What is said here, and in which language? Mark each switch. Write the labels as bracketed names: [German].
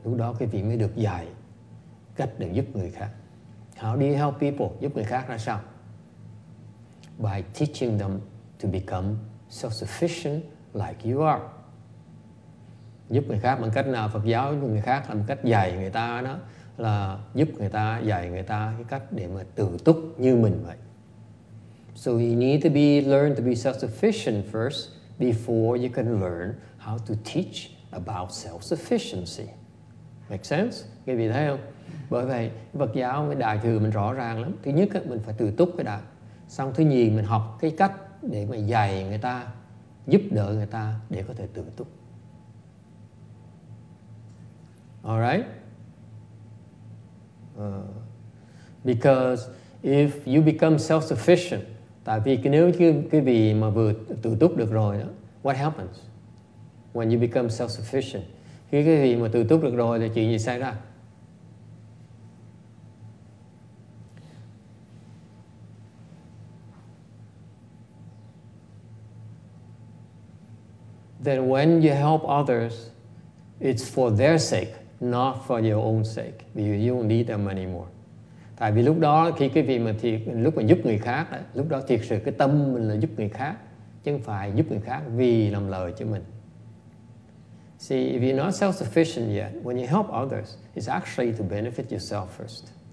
[Vietnamese] Lúc đó quý vị mới được dạy cách để giúp người khác. [English] How do you help people? [Vietnamese] Giúp người khác ra sao? [English] By teaching them to become self-sufficient like you are. [Vietnamese] Giúp người khác bằng cách nào? Phật giáo giúp người khác là bằng cách dạy người ta đó, là giúp người ta, dạy người ta cái cách để mà tự túc như mình vậy. [English] So you need to be learn to be self-sufficient first before you can learn how to teach about self-sufficiency. Make sense? [Vietnamese] Quý vị thấy không? Bởi vậy Phật giáo với đại thừa mình rõ ràng lắm. Thứ nhất mình phải tự túc cái đã. Xong thứ nhì mình học cái cách để mà dạy người ta, giúp đỡ người ta để có thể tự túc. [English] Alright? Because if you become self-sufficient, [Vietnamese] tại vì nếu quý vị mà vừa tự túc được rồi, [English] what happens when you become self-sufficient? [Vietnamese] Khi quý vị mà tự túc được rồi thì chuyện gì xảy ra? [English] Then when you help others, it's for their sake, not for your own sake. Because you don't need them anymore. [Vietnamese] Tại vì lúc đó khi cái việc mà thiệt, lúc mà giúp người khác, lúc đó thiệt sự cái tâm mình là giúp người khác, chứ không phải giúp người khác vì làm lợi cho mình. [English] See, if you're not self-sufficient yet, when you help others, it's actually to benefit yourself first.